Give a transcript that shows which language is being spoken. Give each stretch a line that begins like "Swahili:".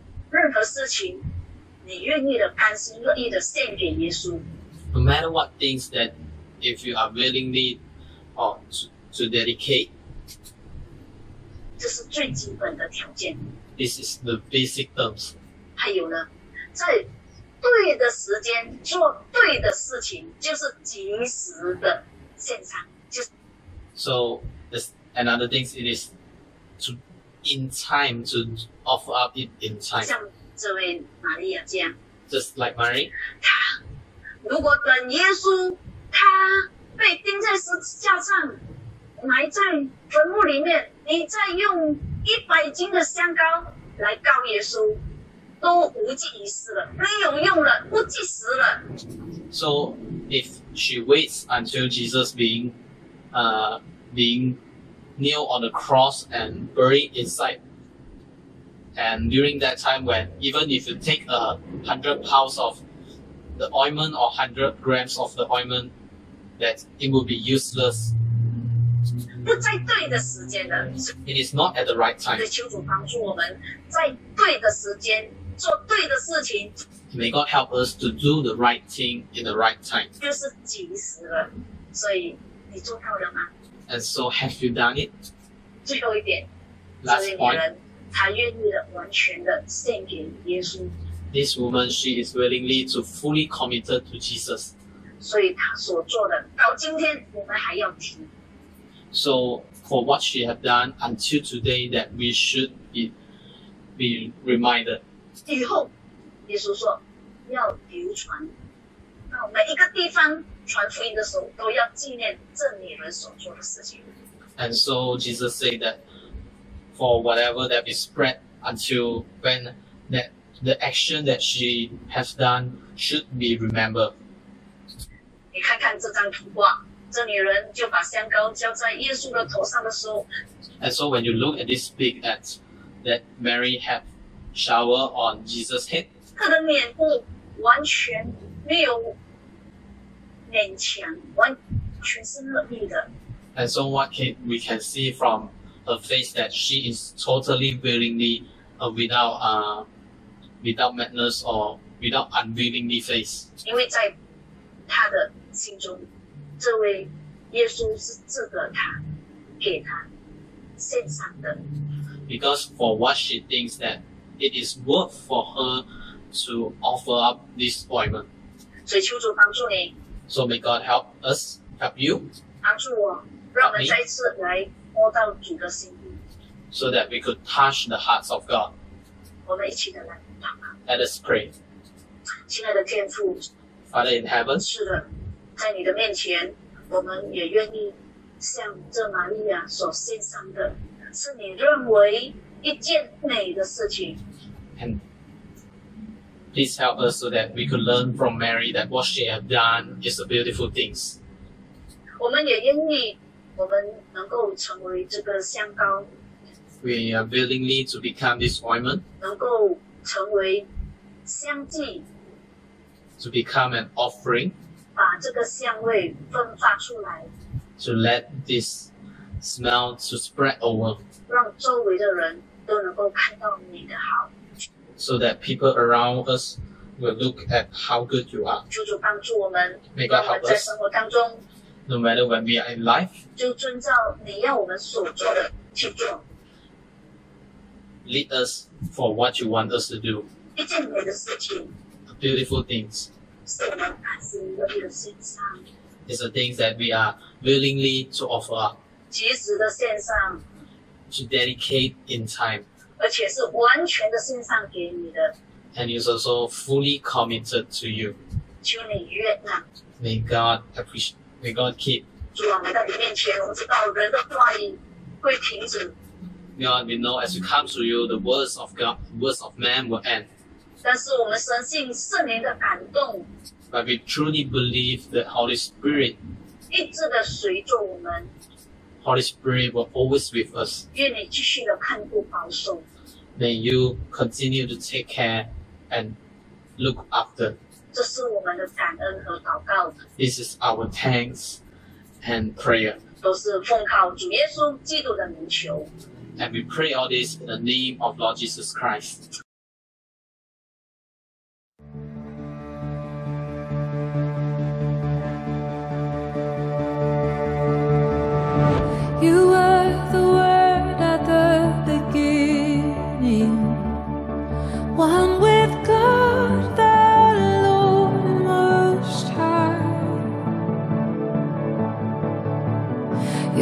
Chinese: 任何事情你愿意的甘心乐意的献给耶稣。
English: No matter what things that if you are willingly to dedicate.
Chinese: 这是最基本的条件。
English: This is the basic terms.
Chinese: 还有呢在对的时间做对的事情，就是及时的现场。
English: So, there's another thing, it is to in time to offer up it in time.
Chinese: 像这位玛利亚这样。
English: Just like Mary.
Chinese: 她如果等耶稣，她被钉在十字架上，埋在坟墓里面，你再用100斤的香膏来膏耶稣。都无济于事了，没有用了，不计时了。
English: So if she waits until Jesus being nailed on the cross and buried inside, and during that time when even if you take 100 pounds of the ointment or 100 grams of the ointment, that it will be useless.
Chinese: 不在对的时间了。
English: It is not at the right time.
Chinese: 求主帮助我们在对的时间。做对的事情。
English: May God help us to do the right thing in the right time.
Chinese: 就是及时了。所以你做到了吗？
English: And so have you done it?
Chinese: 最后一点，
English: last point，
Chinese: 她愿意的完全的献给耶稣。
English: This woman, she is willingly to fully committed to Jesus.
Chinese: 所以她所做的到今天我们还要提。
English: So for what she has done until today that we should be reminded.
Chinese: 以后耶稣说要流传到每一个地方，传福音的时候都要纪念这女人所做的事情。
English: And so Jesus said that for whatever that be spread until when that the action that she has done should be remembered.
Chinese: 你看看这张图画，这女人就把香膏浇在耶稣的头上的时候。
English: And so when you look at this big act that Mary had showered on Jesus' head,
Chinese: 她的脸部完全没有勉强，完全是乐意的。
English: And so what we can see from her face that she is totally willingly without madness or without unwillingly face.
Chinese: 因为在她的心中，这位耶稣是值得她给她献上的。
English: Because for what she thinks that it is worth for her to offer up this ointment.
Chinese: 所以求主帮助你。
English: So may God help us, help you.
Chinese: 帮助我，让我们再次来摸到主的心意。
English: So that we could touch the hearts of God.
Chinese: 我们一起的来祷告。
English: Let us pray.
Chinese: 亲爱的天父，
English: Father in heaven.
Chinese: 是的，在你的面前，我们也愿意像这玛利亚所献上的，是你认为一件美的事情。
English: And please help us so that we could learn from Mary that what she has done is a beautiful thing.
Chinese: 我们也愿意我们能够成为这个香膏。
English: We are willingly to become this ointment.
Chinese: 能够成为香祭。
English: To become an offering.
Chinese: 把这个香味分发出来。
English: To let this smell to spread over.
Chinese: 让周围的人都能够看到你的好。
English: So that people around us will look at how good you are.
Chinese: 求主帮助我们。
English: May God help us.
Chinese: 在生活当中。
English: No matter when we are in life.
Chinese: 就遵照你要我们所做的去做。
English: Lead us for what you want us to do.
Chinese: 一件美的事情。
English: Beautiful things.
Chinese: 是我们甘心乐意的献上。
English: It's the things that we are willingly to offer up.
Chinese: 及时的献上。
English: To dedicate in time.
Chinese: 而且是完全的献上给你的。
English: And is also fully committed to you.
Chinese: 求你悦纳。
English: May God appreciate. May God keep.
Chinese: 主啊，来到你面前，我知道人的话语会停止。
English: God, we know as we come to you, the words of God, words of man will end.
Chinese: 但是我们深信圣灵的感动。
English: But we truly believe the Holy Spirit.
Chinese: 一直的随着我们。
English: Holy Spirit will always with us.
Chinese: 愿你继续的看顾保守。
English: May you continue to take care and look after.
Chinese: 这是我们的感恩和祷告。
English: This is our thanks and prayer.
Chinese: 都是奉靠主耶稣基督的名求。
English: And we pray all this in the name of Lord Jesus Christ. You were the Word at the beginning, one with God, the Lord Most High.